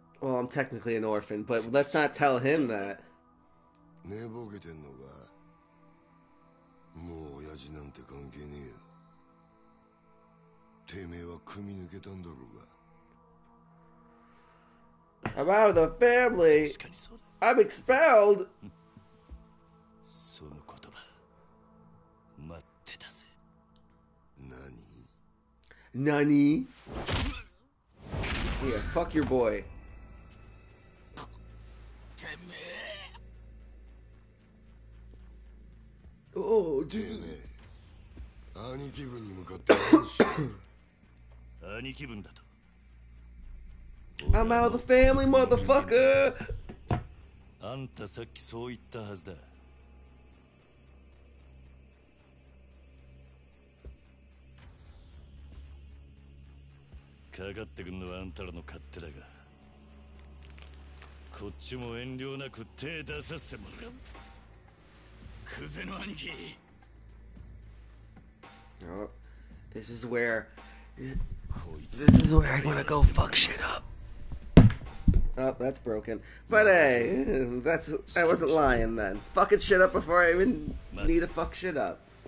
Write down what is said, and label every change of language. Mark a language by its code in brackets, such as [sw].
[en] Well, I'm technically an orphan, but let's not tell him that. [ja] Nebogeten no ka? もう親父なんて関係ねえよ。てめえは組抜けたんだろうが。 [en] I'm out of the family. I'm expelled. [ja] その言葉、待ってたぜ。何？何？ [en] Yeah, fuck your boy. [ja] てめえ。兄貴分に向かって兄貴分だと。 [en] I'm out of the family, motherfucker! [ja] あんたさっきそう言ったはずだ。かかってくんのはあんたらの勝手だが、こっちも遠慮なく手出させてもらう。 [en] Oh, this is where I'm gonna go fuck shit up. Oh, that's broken. But hey, that's, I wasn't lying then. Fucking shit up before I even need to fuck shit up.